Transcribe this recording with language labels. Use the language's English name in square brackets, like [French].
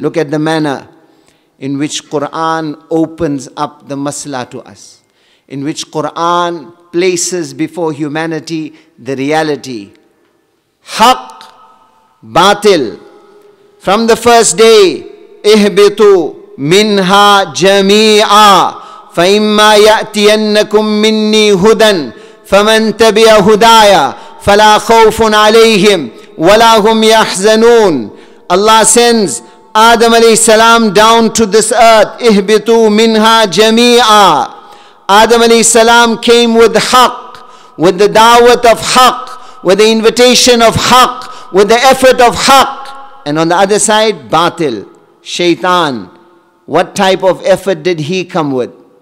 [English] Look at the manner in which Quran opens up the masla to us, in which Quran places before humanity the reality. [Arabic] Haq, batil. [English] From the first day, [Arabic] ihbitu minha jami'a, فَإِمَّا يَأْتِيَنَّكُمْ مِنِّي هُدًى فَمَنْ تَبِيَ هُدَايَ فَلَا خَوْفٌ عَلَيْهِمْ وَلَا هُمْ يَحْزَنُونَ. [English] Allah sends Adam alayhi salam down to this earth. [Arabic] اِهْبِتُوا مِنْهَا جَمِيعًا. [English] Adam alayhi salam came with haq, with the da'wat of haq, with the invitation of haq, with the effort of haq. And on the other side, batil, shaitan. What type of effort did he come with?